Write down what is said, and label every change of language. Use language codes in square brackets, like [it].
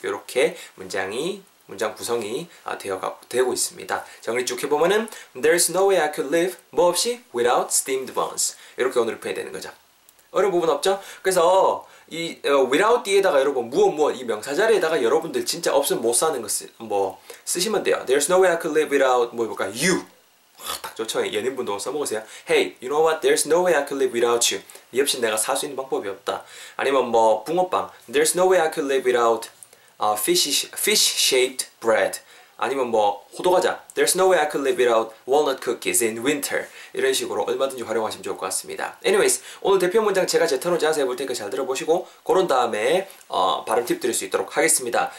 [ko] 이렇게 문장 구성이 되고 있습니다. 정리 쭉 해보면은 [en] There's no way I could live [ko] 뭐 없이 [en] without steamed buns [ko] 이렇게 오늘 표현이 되는 거죠. 어려운 부분 없죠? 그래서 이 without 뒤에다가 여러분 무엇 무엇 이 명사 자리에다가 여러분들 진짜 없으면 못 사는 거뭐 쓰시면 돼요. [en] There's no way I could live without [ko] 뭐 해볼까? [en] you [ko] 딱 좋죠? 연인분도 써먹으세요. [en] Hey, you know what? There's no way I could live without you. [ko] 네 없이 내가 살수 있는 방법이 없다. 아니면 뭐 붕어빵 [en] There's no way I could live without fish-shaped bread. [ko] 아니면 뭐, 호두과자. [en] There's no way I could live without walnut cookies in winter. [ko] 이런 식으로 얼마든지 활용하시면 좋을 것 같습니다. Anyways, 오늘 대표 문장 제가 재터놓지 않아서 해볼 테니까 잘 들어보시고, 그런 다음에, 발음 팁 드릴 수 있도록 하겠습니다.